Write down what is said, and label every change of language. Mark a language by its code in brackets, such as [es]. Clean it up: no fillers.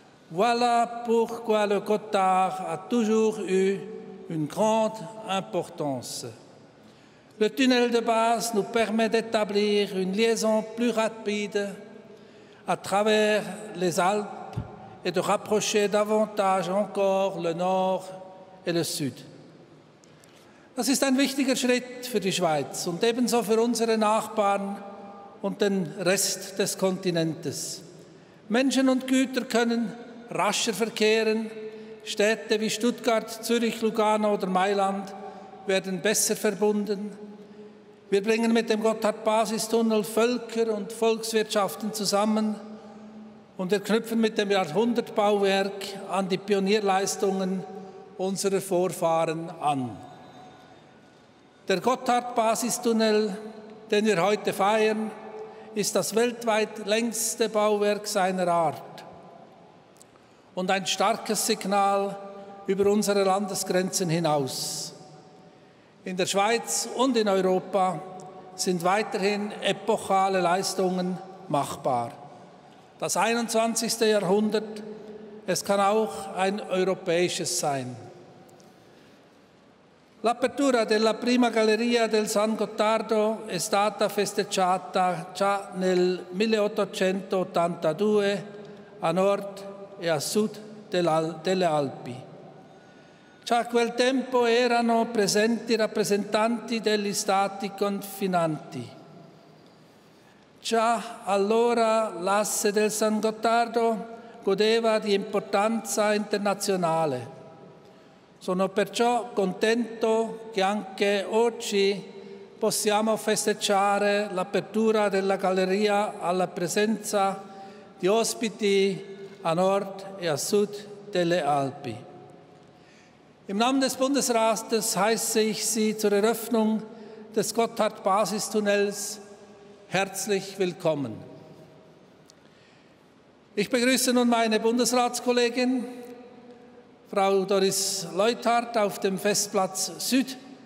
[fr] Voilà pourquoi le Gotthard a toujours eu une grande importance. Le tunnel de base nous permet d'établir une liaison plus rapide à travers les Alpes et de rapprocher davantage encore le Nord et le Sud. [de] Das ist ein wichtiger Schritt für die Schweiz und ebenso für unsere Nachbarn und den Rest des Kontinentes. Menschen und Güter können rascher verkehren. Städte wie Stuttgart, Zürich, Lugano oder Mailand werden besser verbunden. Wir bringen mit dem Gotthard-Basistunnel Völker und Volkswirtschaften zusammen und wir knüpfen mit dem Jahrhundertbauwerk an die Pionierleistungen unserer Vorfahren an. Der Gotthard-Basistunnel, den wir heute feiern, ist das weltweit längste Bauwerk seiner Art und ein starkes Signal über unsere Landesgrenzen hinaus. In der Schweiz und in Europa sind weiterhin epochale Leistungen machbar. Das 21. Jahrhundert, es kann auch ein europäisches sein. [it] L'apertura della prima galleria del San Gottardo è stata festeggiata già nel 1882 a nord e a sud delle Alpi. Già a quel tempo erano presenti rappresentanti degli stati confinanti. Già allora l'asse del San Gottardo godeva di importanza internazionale. Sono perciò contento che anche oggi possiamo festeggiare l'apertura della galleria alla presenza di ospiti a nord e a sud delle Alpi. [de] Im Namen des Bundesrates heiße ich Sie zur Eröffnung des Gotthard-Basistunnels herzlich willkommen. Ich begrüße nun meine Bundesratskollegin, Frau Doris Leuthard, auf dem Festplatz Süd.